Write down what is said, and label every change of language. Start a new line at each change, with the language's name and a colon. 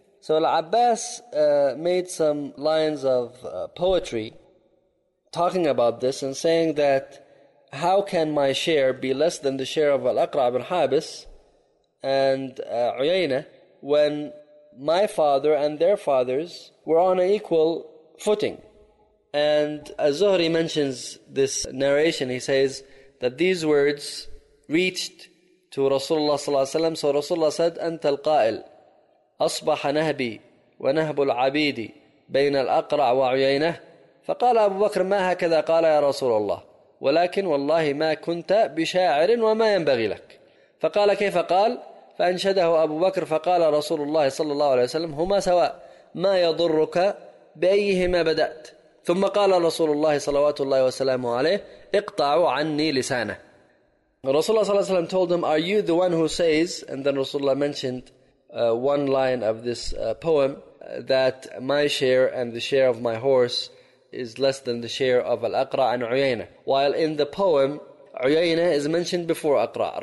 English: So Al-Abbas made some lines of poetry talking about this and saying that, how can my share be less than the share of Al-Aqra ibn Habis and Uyayna when my father and their fathers were on an equal footing? And Az-Zuhri mentions this narration. He says that these words reached to Rasulullah sallallahu alaihi wasallam. So Rasulullah said, "Anta al-qa'il,
Arabic: أصبح نهبي ونهب العبيد بين الأقرع وعيينة." فقال أبو بكر ما هكذا قال يا رسول الله ولكن والله ما كنت بشاعر وما ينبغي لك. فقال كيف قال؟ فأنشده أبو بكر فقال رسول الله صلى الله عليه وسلم هما سواء ما يضرك بأيهما بدأت. ثم قال رسول الله صلوات الله وسلامه عليه اقطعوا عني لسانه. رسول الله صلى الله عليه وسلم
English: told him, are you the one who says, and then Rasulullah mentioned one line of this poem, that my share and the share of my horse is less than the share of Al-Aqra and Uyayna. While in the poem, Uyayna is mentioned before Aqra.